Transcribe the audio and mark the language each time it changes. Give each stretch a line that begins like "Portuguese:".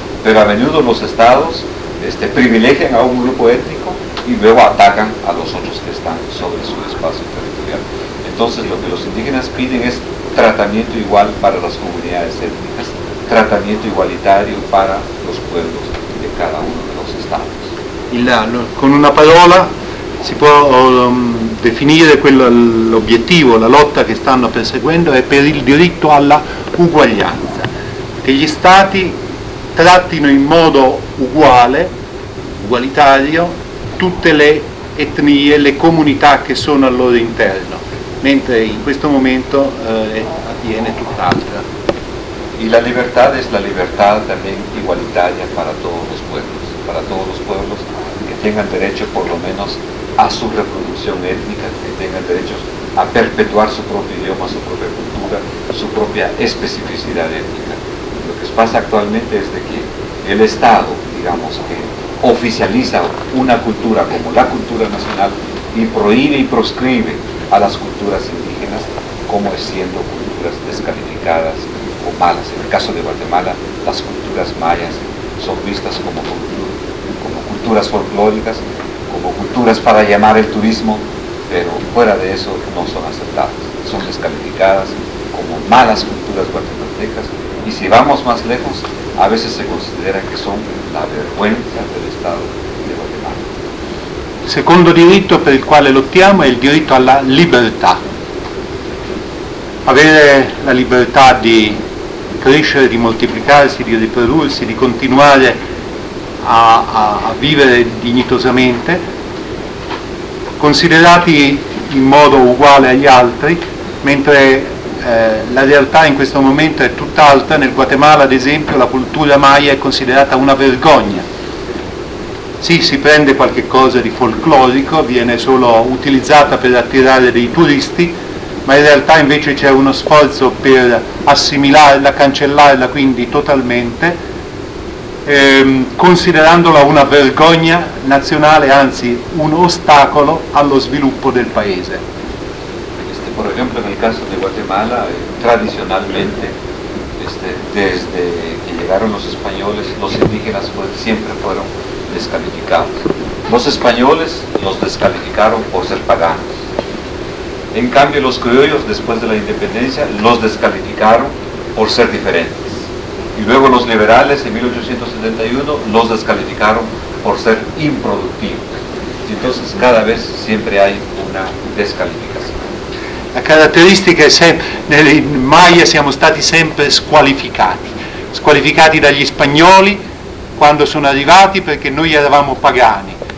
Spanish: Pero a menudo los estados privilegian a un grupo étnico y luego atacan a los otros que están sobre su espacio territorial. Entonces lo que los indígenas piden es tratamiento igual para las comunidades étnicas, tratamiento igualitario para los pueblos de cada uno de los estados.
Italian: Y con una parola si può definire quello l'obiettivo, la lotta che stanno perseguendo è per il diritto alla uguaglianza, che gli stati trattino in modo uguale, ugualitario, tutte le etnie, le comunità che sono al loro interno, mentre in questo momento avviene tutt'altro. E la libertà è la libertà
Spanish: también igualitaria para todos los pueblos, para todos los pueblos que tengan derecho por lo menos a su reproducción étnica, que tengan derechos a perpetuar su propio idioma, su propia cultura, su propia especificidad étnica. Lo que pasa actualmente es de que el Estado, digamos, que oficializa una cultura como la cultura nacional y prohíbe y proscribe a las culturas indígenas como siendo culturas descalificadas o malas. En el caso de Guatemala, las culturas mayas son vistas como culturas folclóricas, como culturas para llamar el turismo, pero fuera de eso no son aceptadas, son descalificadas como malas culturas guatemaltecas, y si vamos más lejos, a veces se considera que son la vergüenza del Estado de Guatemala.
Italian: Il secondo diritto per il quale lottiamo è il diritto alla libertà. Avere la libertà di crescere, di moltiplicarsi, di riprodursi, di continuare a vivere dignitosamente, considerati in modo uguale agli altri, mentre la realtà in questo momento è tutt'altra. Nel Guatemala, ad esempio, la cultura maya è considerata una vergogna. Sì, si prende qualche cosa di folclorico, viene solo utilizzata per attirare dei turisti, ma in realtà invece c'è uno sforzo per assimilarla, cancellarla quindi totalmente, considerandola una vergogna nazionale, anzi un ostacolo allo sviluppo del paese.
Spanish: Por ejemplo, en el caso de Guatemala, tradicionalmente, desde que llegaron los españoles, los indígenas siempre fueron descalificados. Los españoles los descalificaron por ser paganos. En cambio, los criollos, después de la independencia, los descalificaron por ser diferentes. Y luego los liberales en 1871 los descalificaron por ser improductivos. Entonces cada vez siempre hay una descalificación. La característica
Italian: è sempre, in Maya siamo stati sempre squalificati. Squalificati dagli spagnoli quando sono arrivati perché noi eravamo pagani.